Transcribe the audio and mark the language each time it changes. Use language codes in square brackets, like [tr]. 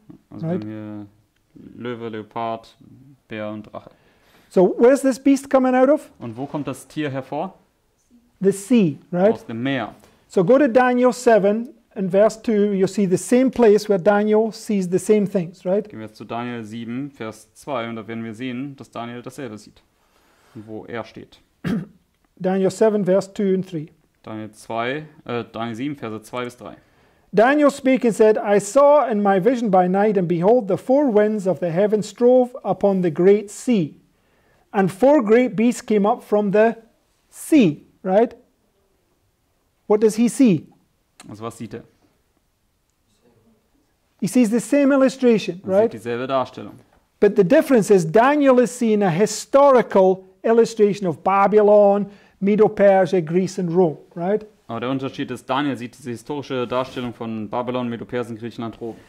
[de] Also right. Wir haben hier Löwe, Leopard, Bär und Drache. [en] So, where is this beast coming out of? [de] Und wo kommt das Tier hervor? [en] The sea, right? [de] Aus dem Meer. [en] So go to Daniel 7 and verse 2, you'll see the same place where Daniel sees the same things, right? [de] Gehen wir jetzt zu Daniel 7, Vers 2 und da werden wir sehen, dass Daniel dasselbe sieht, wo er steht. [en] Daniel 7, verse 2 and 3. [de] Daniel 7, Verse 2 bis 3. [en] Daniel spake and said, I saw in my vision by night, and behold, the four winds of the heaven strove upon the great sea. And four great beasts came up from the sea, right? What does he see? [de] Also was sieht er? [en] He sees the same illustration, [de] er [en] right? [de] Sieht dieselbe Darstellung. [en] But the difference is Daniel is seeing a historical illustration of Babylon, Medo-Persia, Greece and Rome, right? [de] Aber der Unterschied ist, Daniel sieht diese historische Darstellung von Babylon, Medo-Persien, Griechenland, Rom.